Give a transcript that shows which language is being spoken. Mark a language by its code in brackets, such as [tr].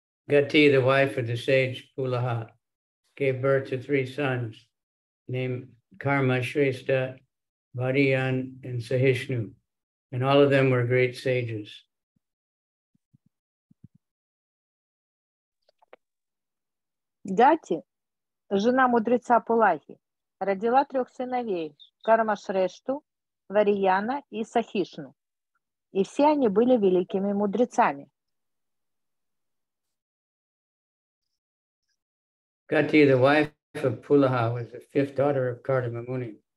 [en] Gati, the wife of the sage Pulaha, gave birth to three sons named Karma Shresta, Variyan, and Sahishnu, and all of them were great sages. [ru] Gati, жена мудреца Пулахи, родила трех сыновей – Кармашрешту, Варияна и Сахишну. И все они были великими мудрецами. [en] Gati, the wife of Pulaha, was the fifth daughter of Kartika Muni.